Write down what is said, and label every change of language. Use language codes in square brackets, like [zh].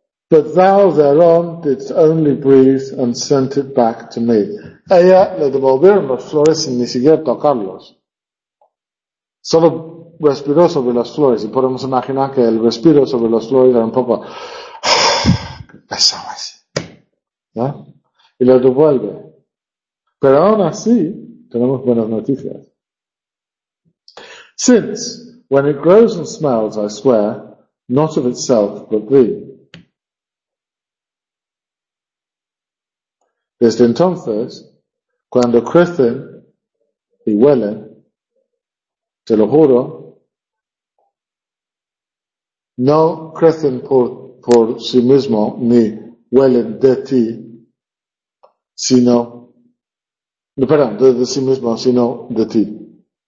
[en] But thou thereon didst only breathe and sent it back to me. [es] Ella le devolvieron las flores sin ni siquiera tocarlos. Solo respiró sobre las flores y podemos imaginar que el respiro sobre las flores era un poco... Pesaba así. ¿Ya? Y lo devuelve. Pero aún así, tenemos buenas noticias. [en] Since, when it grows and smells, I swear, not of itself, but thee. [es] Desde entonces, cuando crecen y huelen, te lo juro, no crecen por sí mismo, ni huelen de ti, sino, no, perdón, de sí mismo, sino de ti.